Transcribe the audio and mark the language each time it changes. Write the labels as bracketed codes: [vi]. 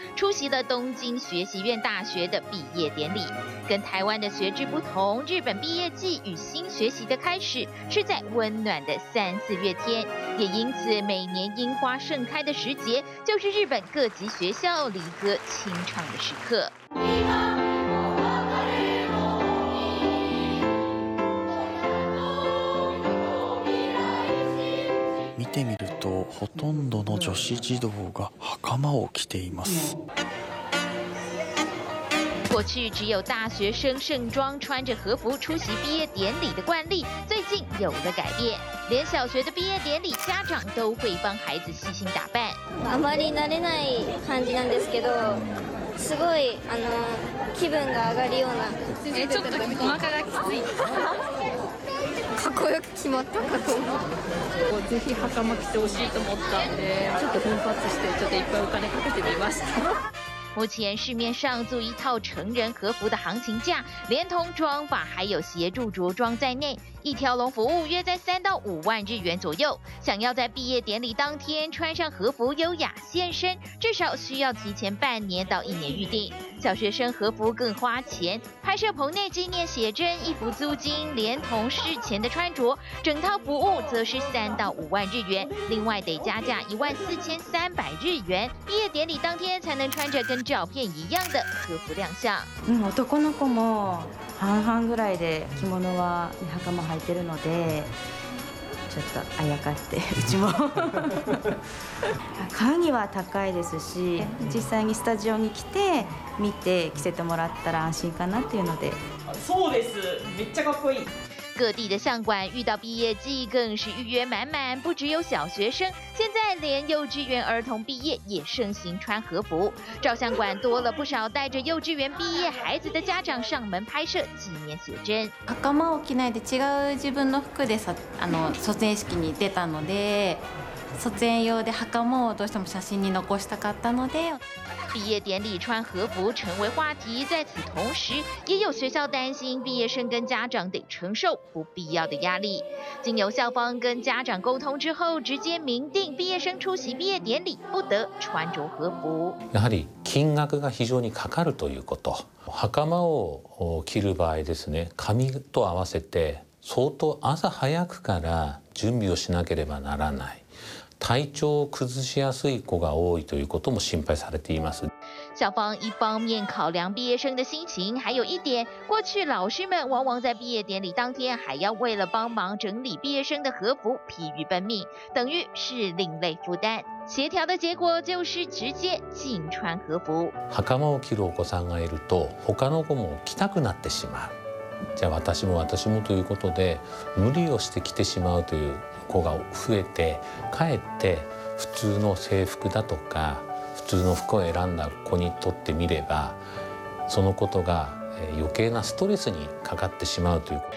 [ja] おめでとうございます。大学生活を振り返られて、いかがですか？最初の3年間はオンライン授業で、最後の1年はこのキャンパスに通い、たくさんの新しい学びを得て、充実した4年間を過ごすことができました。 [zh] 一身暖色系的和服打扮，日皇德仁跟皇后雅子的独生女爱子公主出席了东京学习院大学的毕业典礼。跟台湾的学制不同，日本毕业季与新学习的开始是在温暖的三四月天，也因此每年樱花盛开的时节，就是日本各级学校离歌清唱的时刻。 [ja] 見てみると、ほとんどの女子児童が袴を着ています。 [zh] 过去只有大学生盛装穿着和服出席毕业典礼的惯例，最近有了改变，连小学的毕业典礼，家长都会帮孩子细心打扮。 [ja] あまり慣れない感じなんですけど、すごい気分が上がるような。ちょっと細かがかっこよく決まったかと思う。ぜひ袴着てほしいと思ったんで、ちょっと奮発してちょっといっぱいお金かけてみました。 [zh] 目前市面上租一套成人和服的行情价，连同妆法还有协助着装在内，一条龙服务约在3到5万日元左右。想要在毕业典礼当天穿上和服优雅现身，至少需要提前半年到一年预定。小学生和服更花钱，拍摄棚内纪念写真、衣服租金，连同事前的穿着，整套服务则是3到5万日元，另外得加价14300日元，毕业典礼当天才能穿着跟照片一样的和服亮相。 [ja] 男の子も半々ぐらいで着物は袴も履いてるので、ちょっとあやかってうちも買うには高いですし、実際にスタジオに来て見て着せてもらったら安心かなっていうので。そうです、めっちゃかっこいい。 [zh] 各地的相馆遇到毕业季更是预约满满，不只有小学生，现在连幼稚园儿童毕业也盛行穿和服。照相馆多了不少带着幼稚园毕业孩子的家长上门拍摄纪念写真。 [ja] 袴を着ないで違う自分の服で卒園式に出たので、卒園用で袴をどうしても写真に残したかったので。 [zh] 毕业典礼穿和服成为话题，在此同时也有学校担心毕业生跟家长得承受不必要的压力。经由校方跟家长沟通之后，直接明定毕业生出席毕业典礼不得穿着和服。 [ja] やはり金額が非常にかかるということ、袴を着る場合ですね、髪と合わせて相当朝早くから準備をしなければならない、体調を崩しやすい子が多いということも心配されています。 [zh] 校方一方面考量毕业生的心情，还有一点，过去老师们往往在毕业典礼当天还要为了帮忙整理毕业生的和服疲于奔命，等于是另类负担。协调的结果就是直接禁穿和服。 [ja] 袴を着るお子さんがいると他の子も着たくなってしまう、じゃあ私もということで無理をして着てしまうという子が増えて、かえって普通の制服だとか普通の服を選んだ子にとってみれば、そのことが余計なストレスにかかってしまうという。